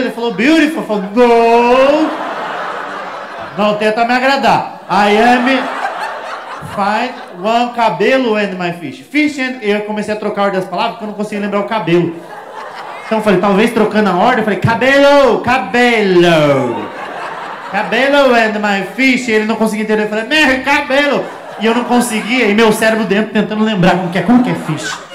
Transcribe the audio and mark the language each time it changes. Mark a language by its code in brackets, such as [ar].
[pt] Ele falou, [en] beautiful. [pt] Eu falei, [en] no. [pt] Não tenta me agradar. [en] I am finding one [pt] cabelo [en] and my fish. Fish and... [pt] Eu comecei a trocar ordem das palavras porque eu não conseguia lembrar o cabelo. Então eu falei, talvez trocando a ordem, eu falei, cabelo, cabelo. Cabelo [en] and my fish. [pt] E ele não conseguia entender, eu falei, meu cabelo. E eu não conseguia, e meu cérebro dentro tentando lembrar como que é fish.